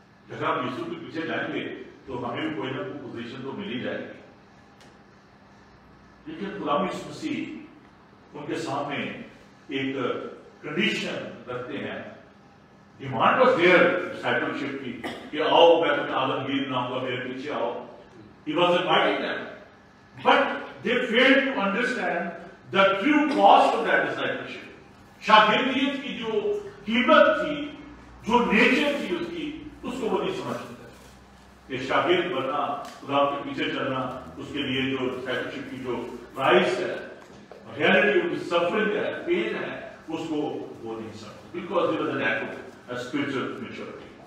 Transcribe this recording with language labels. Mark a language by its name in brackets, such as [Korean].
[Hindi] जब हम यीशु के पीछे जाएंगे तो हमें भी कोई ना कोई पोजिशन तो मिल ही जाएगी, लेकिन गुलाम यीशु मसीह उनके सामने एक कंडीशन रखते हैं, [English] demand was there [Hindi] डिसाइपलशिप की कि आओ मैं तुम्हें आलमगीर बनाऊंगा, मेरे पीछे आओ। [English] He was inviting them, but they failed to understand the true cost of that discipleship. [Hindi] शागिर्दियत की जो कीमत थी, जो नेचर थी उसकी, उसको वो नहीं समझते थे कि शागिर्द बनना, खुदा के पीछे चलना, उसके लिए जो discipleship की जो प्राइस है, रियलिटी उसकी सफरिंग है, पेन है, उसको वो नहीं समझते, [English] because it was an act of a spiritual maturity.